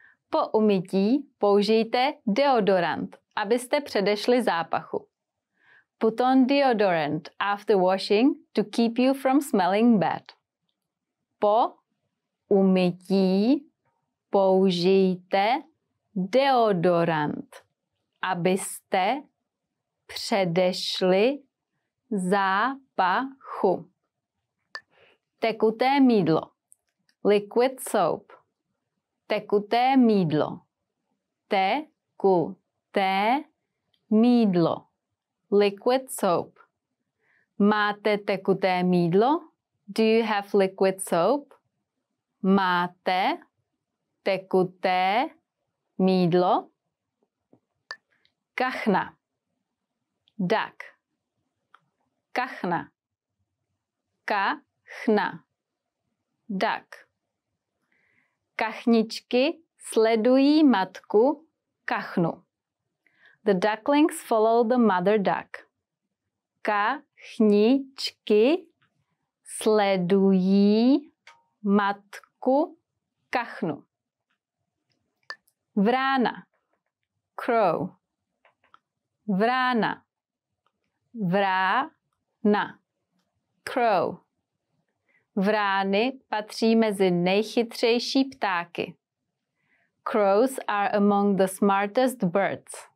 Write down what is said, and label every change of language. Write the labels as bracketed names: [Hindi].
[Czech] Po umytí použijte deodorant, abyste předešli zápachu. [English] Put on deodorant after washing to keep you from smelling bad. [Czech] Po umytí použijte deodorant, abyste předešli zápachu. sprchu. Tekuté mýdlo. [English] Liquid soap. [Czech] Tekuté mýdlo. Tekuté mýdlo. [English] Liquid soap. [Czech] Máte tekuté mýdlo? [English] Do you have liquid soap? [Czech] Máte tekuté mýdlo? Kachna. [English] Duck. [Czech] Kachna. Kachna. [English] Duck. [Czech] Kachničky sledují matku kachnu. [English] The ducklings follow the mother duck. [Czech] Kachničky sledují matku kachnu. Vrána. [English] Crow. [Czech] Vrána. Vrána. [English] Crow. [Czech] Vrány patří mezi nejchytřejší ptáky. [English] Crows are among the smartest birds.